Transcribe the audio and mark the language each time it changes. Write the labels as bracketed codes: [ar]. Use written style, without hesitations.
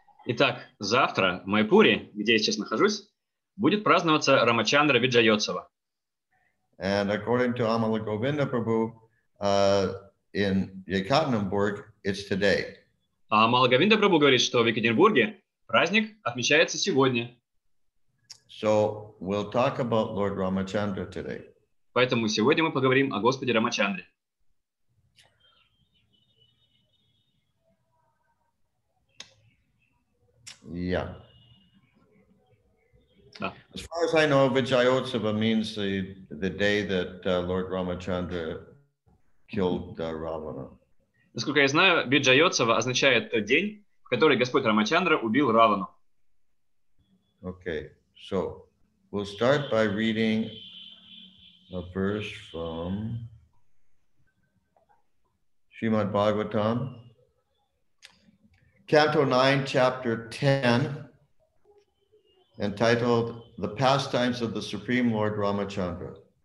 [ru] Итак, завтра в Майпуре, где я сейчас нахожусь, будет праздноваться Рамачандра Виджайотсава. [en] And according to Amala Govinda Prabhu, in Yekaterinburg, it's today. [ru] А Амала Говинда Прабху говорит, что в Екатеринбурге праздник отмечается сегодня. [en] So we'll talk about Lord Ramachandra today. [ru] Поэтому сегодня мы поговорим о Господе Рамачандре. [en] Yeah. [ru] Да. [en] As far as I know, Vijayotsava means the day that Lord Ramachandra killed Ravana. [ru] Насколько я знаю, Виджайотсава означает тот день, в который Господь Рамачандра убил Равану. [en] Okay, so we'll start by reading a verse from Srimad Bhagavatam, Canto 9, Chapter 10, entitled "The Pastimes of the Supreme Lord Ramachandra."